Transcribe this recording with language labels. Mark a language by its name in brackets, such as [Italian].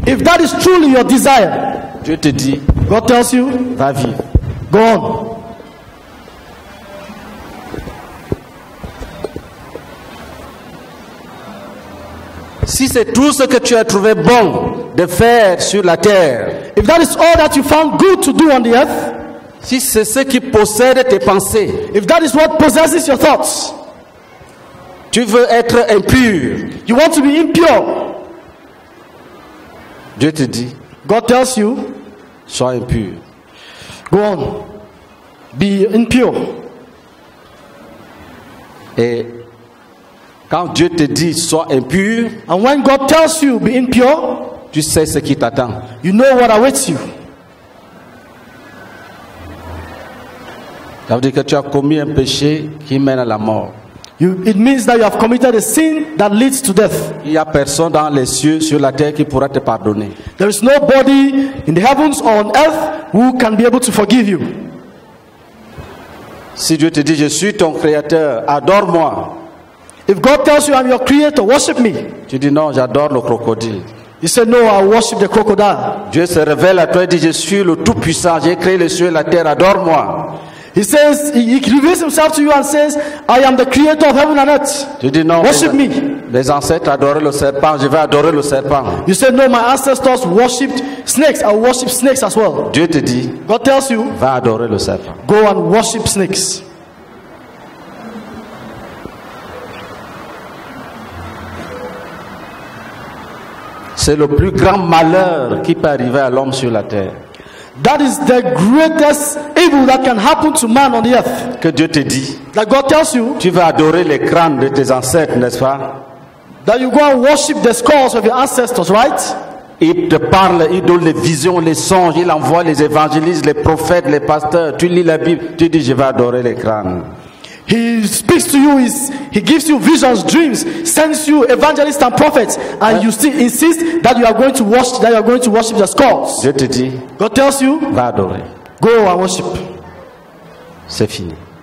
[English] if that is truly your desire, [French] Dieu te dit, [English] God tells you, [French] va vivre. [English] Go on. [French] Si c'est tout ce que tu as trouvé bon de faire sur la terre. [English] If that is all that you found good to do on the earth. [French] Si c'est ce qui possède tes pensées. [English] If that is what possesses your thoughts. [French] Tu veux être impur. [English] You want to be impure. [French] Dieu te dit. [English] God tells you. [French] Sois impur. [English] Go on. Be impure. [French] Et quand Dieu te dit sois impur, [English] and when God tells you be impure, [French] tu sais ce qui t'attend. [English] You know what awaits you. [French] Ça veut dire que tu as commis un péché qui mène à la mort. [English] You, it means that you have committed a sin that leads to death. [French] Il n'y a personne dans les cieux sur la terre qui pourra te pardonner. [English] There is nobody in the heavens or on earth who can be able to forgive you. [French] Si Dieu te dit je suis ton créateur, adore-moi. [English] If God tells you I'm your creator, worship me. [French] Tu dis non, j'adore le crocodile. [English] You say no, I worship the crocodile. [French] Dieu se révèle à toi et dit je suis le tout puissant, j'ai créé les cieux et la terre, adore-moi. [English] He says he reveals himself to you and says I am the creator of heaven and earth. [French] Tu dis non. [English] Worship me. [French] Mes ancêtres adoraient le serpent, je vais adorer le serpent. [English] You say no, my ancestors worshipped snakes, I worship snakes as well. [French] Dieu te dit. [English] God tells you. [French] Va adorer le serpent. [English] Go and worship snakes. [French] C'est le plus grand malheur qui peut arriver à l'homme sur la terre. [English] That is the greatest evil that can happen to man on the earth. [French] Que Dieu te dit. [English] That God tells you. [French] Tu vas adorer les crânes de tes ancêtres, n'est-ce pas? [English] That you go and worship the skulls of your ancestors, right? [French] Il te parle, il donne les visions, les songes, il envoie les évangélistes, les prophètes, les pasteurs. Tu lis la Bible, tu dis je vais adorer les crânes. [English] He speaks to you, he gives you visions, dreams, sends you evangelists and prophets, and you still insist that you are going to worship, that you are going to worship the skulls. [French] Je te dis, [English] God tells you, [French] va adorer. [English] Go and worship. [French] C'est fini.